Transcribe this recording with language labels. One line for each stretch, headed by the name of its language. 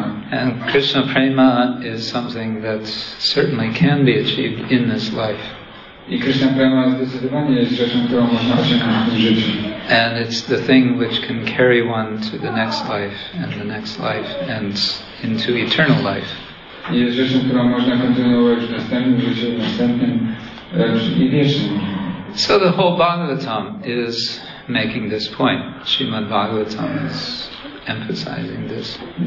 English: And Krishna prema is something that certainly can be achieved in this life.
Polish: I Krishna prema zdecydowanie jest rzeczą, którą można osiągnąć w tym życiu.
English: And it's the thing which can carry one to the next life and the next life and into eternal life.
Polish: I jest rzeczą, którą można kontynuować w następnym życiu, w następnym i wiecznym.
English: So the whole Bhagavatam is making this point. Srimad Bhagavatam is emphasizing this.